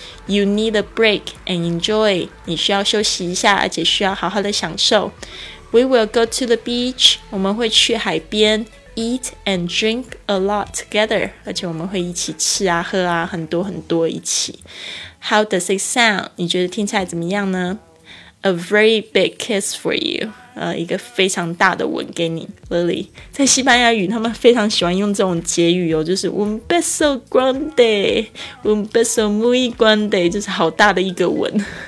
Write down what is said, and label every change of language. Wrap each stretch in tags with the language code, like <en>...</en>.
<en>You need a break and enjoy.</en> <zh>你需要休息一下，而且需要好好的享受。</zh> <en>We will go to the beach.</en> <zh>我们会去海边。</zh> <en>Eat and drink a lot together.</en> <zh>而且我们会一起吃啊，喝啊，很多很多一起。</zh> <en>How does it sound?</en> <zh>你觉得听起来怎么样呢？</zh> <en>A very big kiss for you.</en> <zh>一个非常大的吻给你 ，Lily. 在西班牙语，他们非常喜欢用这种结语哦，就是</zh> <es>un beso grande, un beso muy grande,</es> <zh>就是好大的一个吻。</zh>